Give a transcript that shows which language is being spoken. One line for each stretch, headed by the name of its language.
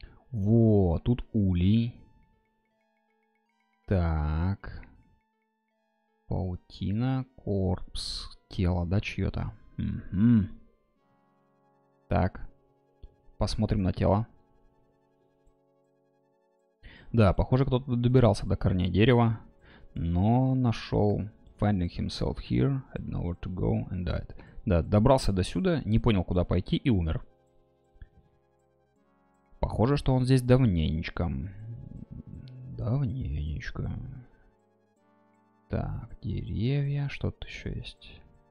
Russian: Во, тут улей. Так. Паутина, корпс, тело, да, чьё-то? Угу. Так. Посмотрим на тело. Да, похоже, кто-то добирался до корня дерева, но нашел.
English: Finding himself here, had nowhere to go and died.
Russian: Да, добрался до сюда, не понял, куда пойти и умер. Похоже, что он здесь давненечко. Давненечко. Так, деревья, что-то еще есть.